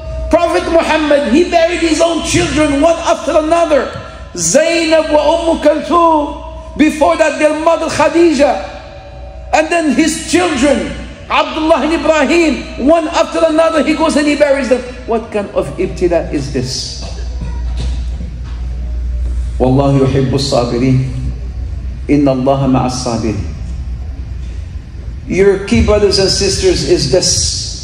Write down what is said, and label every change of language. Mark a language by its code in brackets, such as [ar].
[en] Prophet Muhammad, he buried his own children one after another. Zainab wa Umm Kulthum, Before that, their mother Khadija. And then his children, Abdullah and Ibrahim, one after another, he goes and he buries them. What kind of ibtila is this? [ar] والله يحب الصابرين إن الله مع الصابرين. [en] Your key brothers and sisters is this.